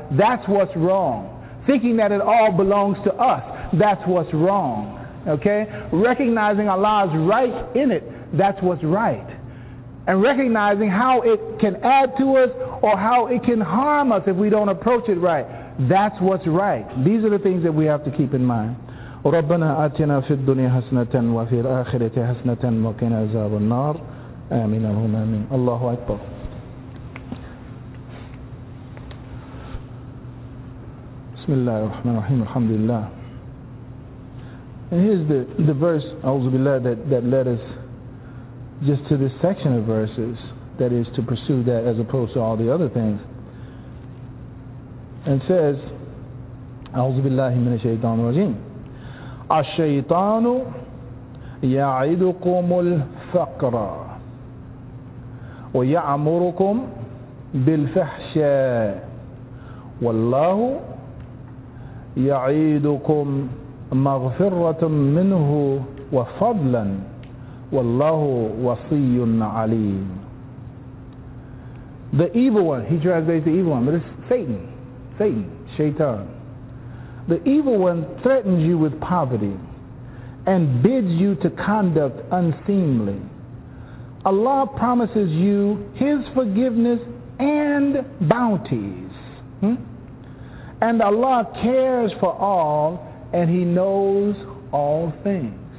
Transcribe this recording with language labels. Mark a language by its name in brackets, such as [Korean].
[English] That's what's wrong. Thinking that it all belongs to us, that's what's wrong. Okay? Recognizing Allah's right in it, that's what's right. And recognizing how it can add to us or how it can harm us if we don't approach it right, that's what's right. These are the things that we have to keep in mind. [Arabic] ربنا آتنا في الدنيا حسنة وفي الآخرة حسنة وقنا عذاب النار آمين اللهم آمين الله أكبر بسم الله الرحمن الرحيم الحمد لله [English] And here's the verse [Arabic] أعوذ بالله [English] that led us just to this section of verses that is to pursue that as opposed to all the other things and says [Arabic] أعوذ بالله من الشيطان الرجيم الشيطان يعدكم الفقر ويعمركم بالفحشاء والله يعدكم مغفرة منه وفضلا والله وصي عليم [English] The evil one, he translates the evil one, but it's Satan, Shaitan. The evil one threatens you with poverty and bids you to conduct unseemly. Allah promises you His forgiveness and bounties. And Allah cares for all and He knows all things.